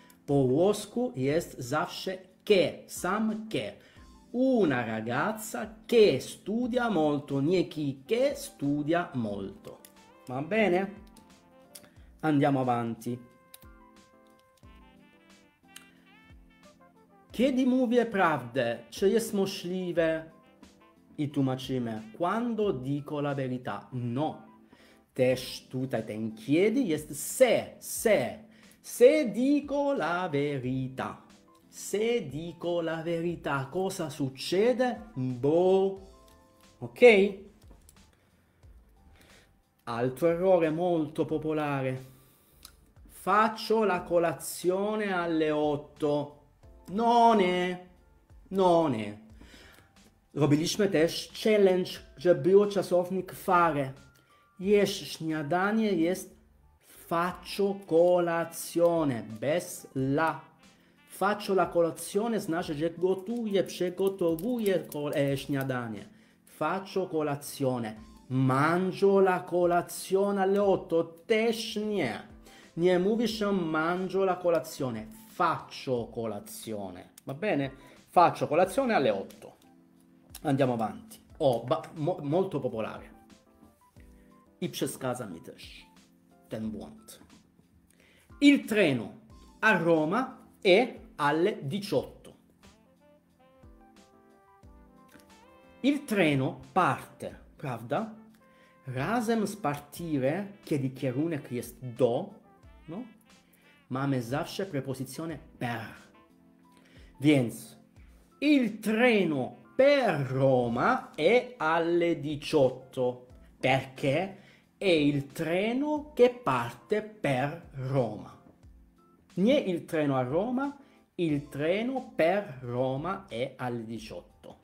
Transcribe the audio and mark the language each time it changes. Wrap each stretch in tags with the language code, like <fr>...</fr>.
<pl>Po włosku jest zawsze che, sam che.</pl> <it>Una ragazza che studia molto, nie chi che studia molto. Va bene? Andiamo avanti.</it> <pl>Kiedy mówię prawdę, czy jest możliwe? I tłumaczymy. Quando dico la verità? No. Też tutaj ten kiedy jest se, se.</pl> <it>Se dico la verità. Se dico la verità, cosa succede? Boh. Ok? Altro errore molto popolare. Faccio la colazione alle 8. None.</it> <pl>Robiliśmy też challenge, że było czasownik fare. Jest śniadanie, jest faccio colazione, bez la. Faccio la colazione znaczy, że gotuję, przygotowuję śniadanie.</pl> <it>Faccio colazione. Mangio la colazione alle 8?</it> <pl>Też nie. Nie mówisz mangio la colazione.</pl> <it>Faccio colazione. Va bene? Faccio colazione alle 8. Andiamo avanti.</it> <pl>Molto popolare. I przeskazami też. Ten błąd.</pl> <it>Il treno a Roma è alle 18. Il treno parte, prawda?</it> <pl>Razem z partire, kiedy kierunek jest do, no? Mamy zawsze preposizione per.</pl> <it>Więc, il treno per Roma è alle 18. Perché è il treno che parte per Roma. Né il treno a Roma, il treno per Roma è alle 18.</it>